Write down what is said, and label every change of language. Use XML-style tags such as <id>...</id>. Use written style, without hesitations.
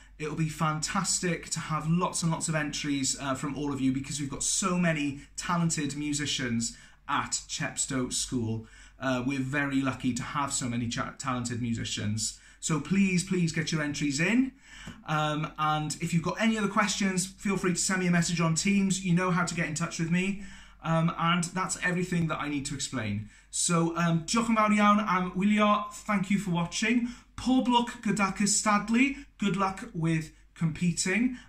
<en>It'll be fantastic to have lots and lots of entries from all of you, because we've got so many talented musicians at Chepstow School. We're very lucky to have so many talented musicians. So please, please get your entries in. And if you've got any other questions, feel free to send me a message on Teams. You know how to get in touch with me. And that's everything that I need to explain.</en> <cy>So diolch yn fawr iawn am wylio.</cy> <en>Thank you for watching.</en> <cy>Pob lwc gyda cystadlu.</cy> <en>Good luck with competing.</en>